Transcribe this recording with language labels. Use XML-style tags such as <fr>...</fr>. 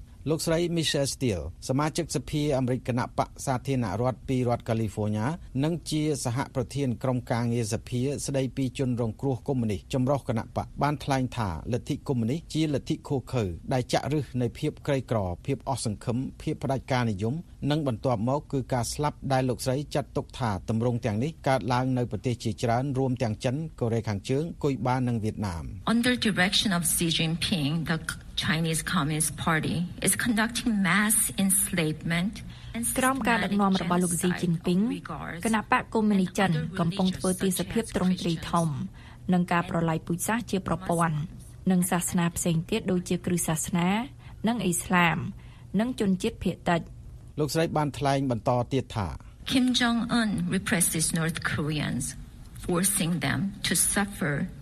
<km>លោកស្រី Michelle Steel សមាជិកសភាអាមេរិកណបកសាធារណរដ្ឋពីរដ្ឋ California និងជាសហប្រធានក្រុមការងារសភាស្ដីពីជនរងគ្រោះកុម្មុយនីសចម្រុះគណបកបានថ្លែងថាលទ្ធិកុម្មុយនីសជាលទ្ធិខូខើដែលចាក់ឫសនៅភាពក្រីក្រភាពអសង្ឃឹមភាពផ្ដាច់ការនិយមនិងបន្ទាប់មកគឺការស្លាប់ដែលលោកស្រីចាត់ទុកថាទម្រង់ទាំងនេះកើតឡើងនៅប្រទេសជាច្រើនរួមទាំងចិនកូរ៉េខាងជើងគុយបានិងវៀតណាម</km> <en>Under direction of Xi Jinping the Chinese Communist Party is conducting mass enslavement</en> <km>ក្រោមការដឹកនាំរបស់លោកស៊ីជីនពីងគណបកកុម្មុយនីសចិនកំពុងធ្វើទាសភាពទ្រង់ទ្រាយធំនឹងការប្រឡាយពូជសាសន៍ជាប្រព័ន្ធនិងសាសនាផ្សេងទៀតដូចជាគ្រីស្ទសាសនានិងអ៊ីស្លាមនិងជនជាតិភាគតិច លោកស្រីបានថ្លែងបន្តទៀតថា</km> <en>Kim Jong Un represses North Koreans forcing them to suffer</en>